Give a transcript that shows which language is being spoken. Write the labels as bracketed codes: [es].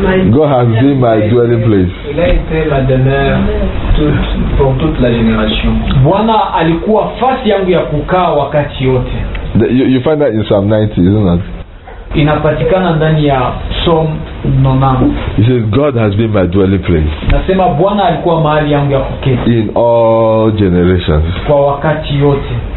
[en] God has been my dwelling place. [fr] Il a été ma demeure pour toute la génération. [sw] Bwana alikuwa fasi yangu ya kukaa wakati yote. [en] You find that in Psalm 90, isn't it? [sw] Inapatikana ndani ya Psalm 90. [en] He says, God has been my dwelling place. [sw] Nasema Bwana alikuwa mahali yangu ya kuketi. [en] In all generations. [sw] Kwa wakati yote.